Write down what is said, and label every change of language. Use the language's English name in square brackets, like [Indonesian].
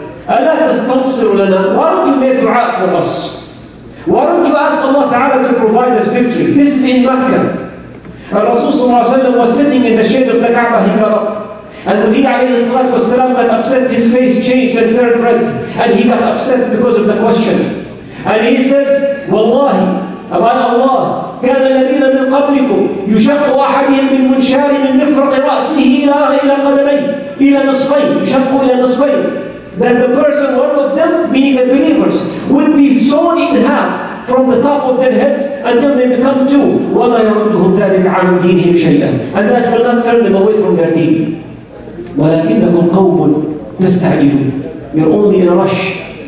[Arabic] Ala tastansiru lana? [English] Why don't you make dua for us? Why don't you ask Allah Ta'ala to provide us victory? This is in Mecca. And Rasul sallallahu alayhi wa sallam was sitting in the shade of the Kaaba, he got up. And when he alayhi salatu wa sallam got upset, his face changed and turned red. And he got upset because of the question. And he says, Wallahi, about Allah, [Arabic] كان الذين من قبلكم يشق أحدهم من منشار من مفرق رأسه إلى قدمين إلى نصفين يشق إلى نصفين. [English] That the person, one of them, meaning the believers, would be sawn in half from the top of their heads until they become two. [Arabic] وَمَا يَرُدُّهُمْ ذَلِكَ عَنْ دِينِهِمْ شَيْئًا. [English] And that will not turn them away from their deen. [Arabic] وَلَكِنَّكُمْ قَوْمٌ تَسْتَعْجِلُونَ. [English] You're only in a rush.